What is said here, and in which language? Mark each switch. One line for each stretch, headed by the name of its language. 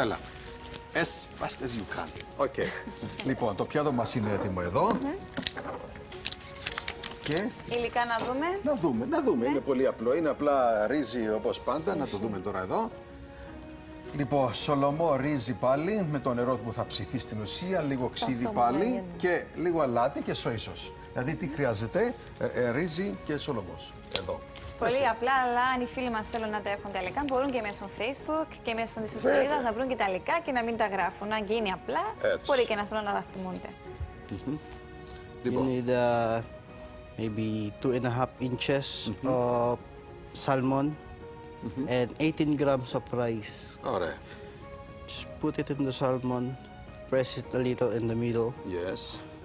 Greek: Έλα,
English: as fast as you can. Okay.
Greek: Λοιπόν, το πιάτο μας είναι έτοιμο εδώ. Και... Υλικά να δούμε. Να δούμε, να δούμε. Είναι πολύ απλό, είναι απλά ρύζι όπως πάντα, να το δούμε τώρα εδώ. Λοιπόν, σολομό ρύζι πάλι, με το νερό που θα ψηθεί στην ουσία, λίγο ξύδι πάλι και λίγο αλάτι και σόισος. Δηλαδή τι χρειάζεται, ρύζι και σολομός, εδώ. Πολύ έτσι. Απλά, αλλά αν οι φίλοι μας θέλουν να τα έχουν τα υλικά, μπορούν και μέσω Facebook και μέσω της σελίδας να βρουν και τα υλικά και να μην τα γράφουν. Αν γίνει απλά, έτσι. Μπορεί και να θέλουν να τα θυμούνται. Λοιπόν.
English: You need maybe 2.5 inches of salmon. And 18 grams of rice.
Greek: Ωραία.
English: Just put it in the salmon, press it a little in the middle. Yes.